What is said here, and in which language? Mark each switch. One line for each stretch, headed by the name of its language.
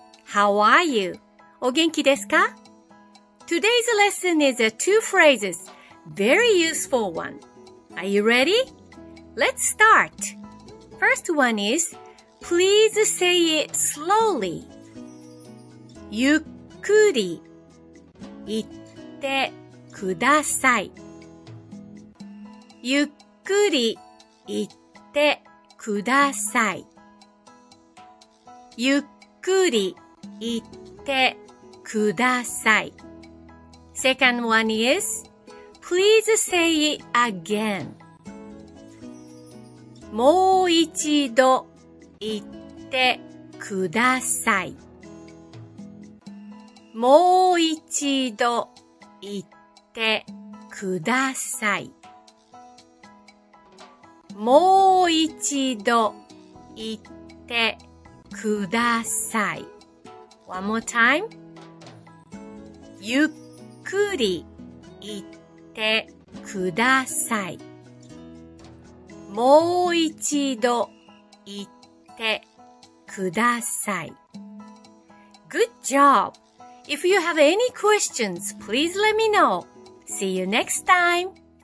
English: How are you?
Japanese: お元気ですか?
English: Today's lesson is two phrases, very useful one. Are you ready? Let's start! First one is, please say it slowly.
Japanese: ゆっくり言ってください。ゆっくり言ってください。ゆっくり言ってください。
English: Second one is, please say it again.
Japanese: もう一度言ってください。もう一度言ってください。もう一度言ってください。
English: One more time.
Japanese: ゆっくり言ってください。もう一度言ってください。
English: Good job! If you have any questions, please let me know. See you next time!